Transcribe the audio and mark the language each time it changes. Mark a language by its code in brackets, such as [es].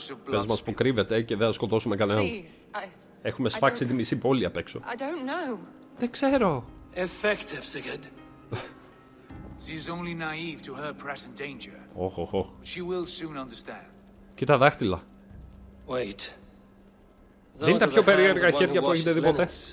[el] Πες μας που κρύβεται και δεν θα σκοτώσουμε κανέναν. Έχουμε σφάξει τη μισή πόλη απ' έξω. Δεν ξέρω. [en] Effective, Sigurd. She is only naive to her present danger. Oh, oh, oh. She will soon understand. [el] Κοίτα δάχτυλα. [en] Wait. [el] Δεν είναι τα πιο περίεργα χέρια που έχετε δει ποτέ.